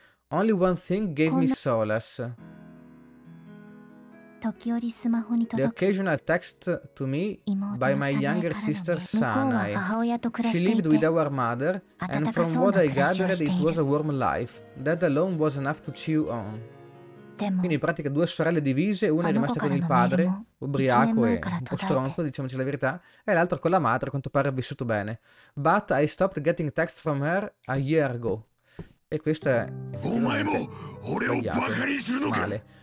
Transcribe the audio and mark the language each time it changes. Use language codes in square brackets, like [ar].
[en] Only one thing gave me solace. The occasional text to me by my younger sister Sanae. She lived with our mother, and from what I gathered, it was a warm life. That alone was enough to chew on. [it] Quindi in pratica due sorelle divise, una è rimasta con il padre, ubriaco e un po' stronzo, diciamoci la verità, e l'altra con la madre, a quanto pare ha vissuto bene. [en] But I stopped getting texts from her a year ago. [it] E questo è male.